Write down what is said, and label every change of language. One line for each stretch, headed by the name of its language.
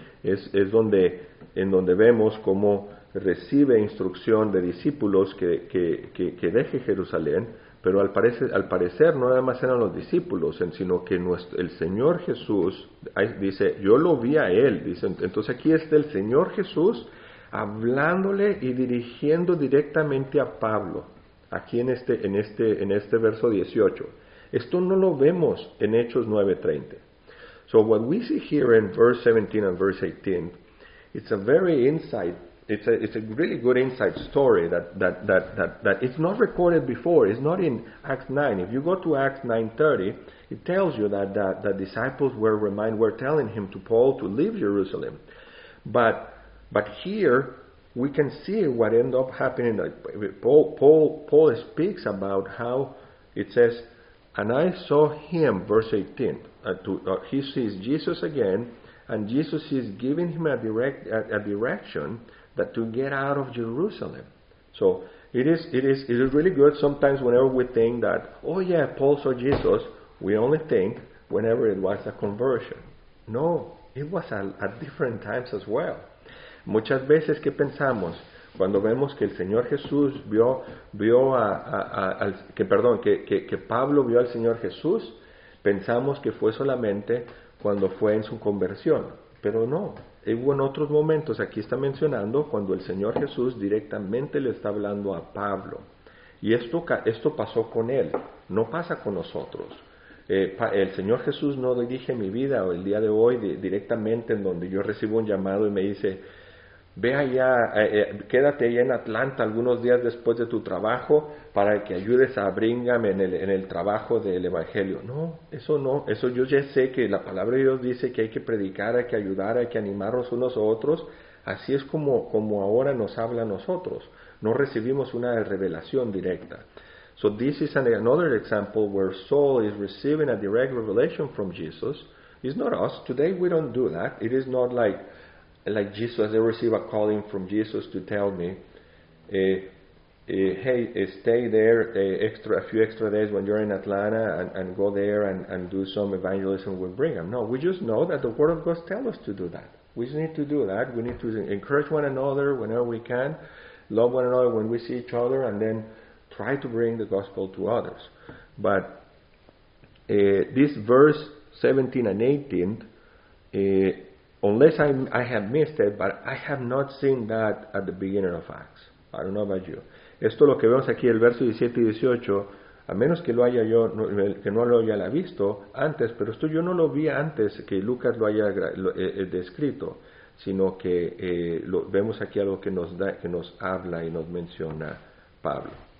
Spanish: Es donde vemos cómo recibe instrucción de discípulos que deje Jerusalén, pero al parecer no nada más eran los discípulos, sino que el Señor Jesús, dice, yo lo vi a Él, dice, entonces aquí está el Señor Jesús hablándole y dirigiendo directamente a Pablo, aquí en este verso 18. Esto no lo vemos en Hechos 9:30.
English: So what we see here in verse 17 and verse 18, it's a very insight. It's a really good insight story that it's not recorded before. It's not in Acts 9. If you go to Acts 9:30, it tells you that the disciples were telling him to Paul to leave Jerusalem, but here we can see what ended up happening. Paul speaks about how it says, and I saw him, verse 18. He sees Jesus again, and Jesus is giving him a direction that to get out of Jerusalem. So it is really good. Sometimes whenever we think that, oh yeah, Paul saw Jesus, we only think whenever it was a conversion. No, it was at different times as well.
Spanish: Muchas veces que pensamos cuando vemos que el Señor Jesús vio que Pablo vio al Señor Jesús. Pensamos que fue solamente cuando fue en su conversión, pero no, hubo en otros momentos, aquí está mencionando, cuando el Señor Jesús directamente le está hablando a Pablo. Y esto pasó con él, no pasa con nosotros. El Señor Jesús no dirige mi vida el día de hoy directamente en donde yo recibo un llamado y me dice, ve allá, quédate allá en Atlanta algunos días después de tu trabajo para que ayudes a bríngame en el trabajo del Evangelio. No, eso no, eso yo ya sé que la palabra de Dios dice que hay que predicar, hay que ayudar, hay que animarnos unos a otros. Así es como ahora nos habla a nosotros. No recibimos una revelación directa.
English: So this is another example where Saul is receiving a direct revelation from Jesus. It's not us. Today we don't do that. It is not like Jesus, they receive a calling from Jesus to tell me, hey, stay there a few extra days when you're in Atlanta and go there and do some evangelism with Brigham. No, we just know that the Word of God tells us to do that. We just need to do that. We need to encourage one another whenever we can, love one another when we see each other, and then try to bring the gospel to others. But this verse 17 and 18, unless I have missed it, but I have not seen that at the beginning of Acts. I don't know about you.
Spanish: Esto lo que vemos aquí, el verso 17 y 18, a menos que lo haya yo, que no lo haya visto antes, pero esto yo no lo vi antes que Lucas lo haya descrito, sino que vemos aquí algo que nos habla y nos menciona Pablo.